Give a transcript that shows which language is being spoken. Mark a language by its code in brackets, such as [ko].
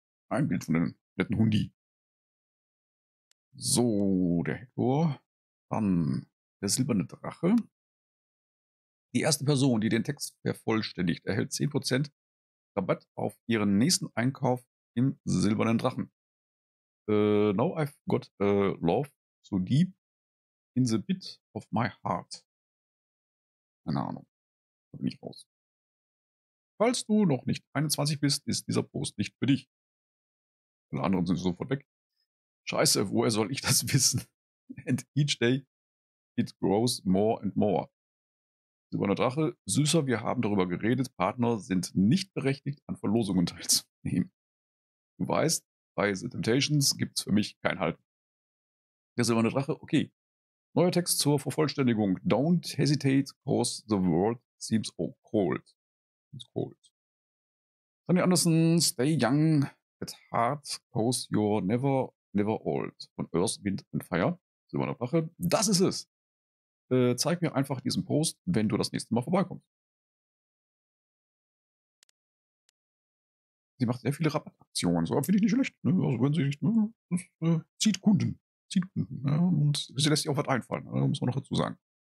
[de] Ein Bild von dem netten Hundi. So, der Hector. Dann der silberne Drache. Die erste Person, die den Text vervollständigt, erhält 10% Rabatt auf ihren nächsten Einkauf im silbernen Drachen. [en] Now I've got love so deep in the bit of my heart. [de] Keine Ahnung. Da bin ich raus. Falls du noch nicht 21 bist, ist dieser Post nicht für dich. Alle anderen sind sofort weg. Scheiße, woher soll ich das wissen? [en] And each day it grows more and more. [de] Silberne Drache, süßer, wir haben darüber geredet, Partner sind nicht berechtigt, an Verlosungen teilzunehmen. Du weißt, bei The Temptations gibt's für mich kein Halten. Der Silberne Drache, okay. Neuer Text zur Vervollständigung. [en] Don't hesitate, cause the world seems all cold. It's cold. Sunny Anderson, stay young. At heart, cause you're never, never old. [de] Von Earth, Wind and Fire. Silberne Drache. Das ist es. Zeig mir einfach diesen Post, wenn du das nächste Mal vorbeikommst. Sie macht sehr viele Rabattaktionen. So finde ich nicht schlecht. Ne? Also wenn sie nicht, ne? Zieht Kunden. Zieht Kunden. Ne? Und sie lässt sich auch was einfallen. Ne? Muss man noch dazu sagen.